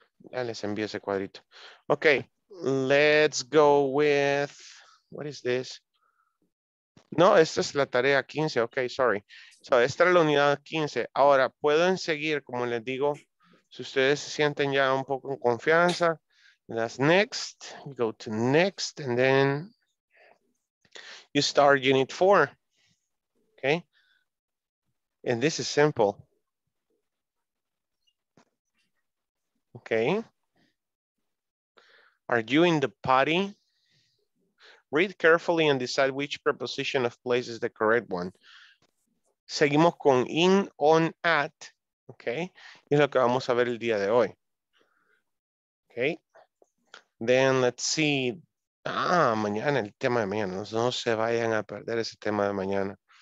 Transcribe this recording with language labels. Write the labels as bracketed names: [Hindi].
[Spanish] Ya les envío ese cuadrito. [English] Okay, let's go with, what is this? [Spanish] No, esta es la tarea 15. [English] Ok, sorry. [Spanish] So, esta es la unidad 15. Ahora, pueden seguir, como les digo, si ustedes se sienten ya un poco en confianza. [English] That's next. You go to next and then you start unit 4. Ok. And this is simple. Ok. Are you in the party? Read carefully and decide which preposition of place is the correct one. [Spanish] Seguimos con in, on, at, okay? Es lo que vamos a ver el día de hoy. Okay. [English] Then let's see. [Spanish] Ah, mañana, el tema de mañana. No se vayan a perder ese tema de mañana.